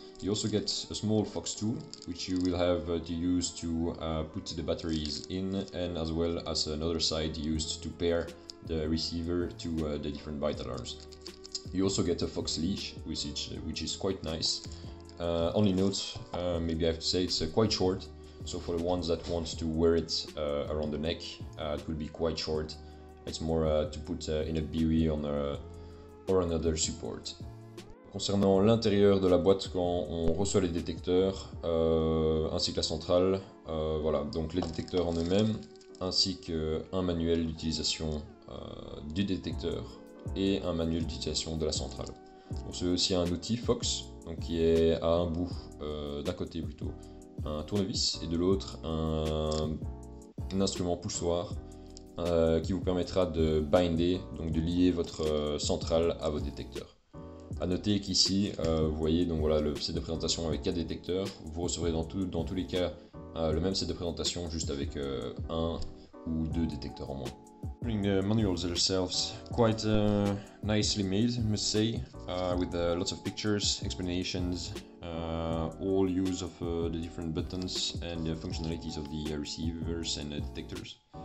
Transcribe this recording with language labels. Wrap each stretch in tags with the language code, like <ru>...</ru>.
<en>You also get a small Fox tool, which you will have to use to put the batteries in, and as well as another side used to pair the receiver to the different bite alarms. You also get a Fox leash, which is quite nice. Only note, maybe I have to say, it's quite short. So for the ones that want to wear it around the neck, it could be quite short. It's more to put in a buoy on or another support.</en> <fr>Concernant l'intérieur de la boîte quand on reçoit les détecteurs, ainsi que la centrale, voilà, donc les détecteurs en eux-mêmes, ainsi qu'un manuel d'utilisation du détecteur et un manuel d'utilisation de la centrale. On a aussi un outil Fox, donc qui est à un bout, d'un côté plutôt, un tournevis, et de l'autre un instrument poussoir qui vous permettra de binder, donc de lier votre centrale à vos détecteurs. A noter qu'ici, vous voyez donc voilà le set de présentation avec 4 détecteurs, vous recevrez dans tous les cas le même set de présentation, juste avec un ou deux détecteurs en moins.</fr> <en>The manuals themselves, quite nicely made, I must say, with lots of pictures, explanations, all use of the different buttons and the functionalities of the receivers and detectors.</en>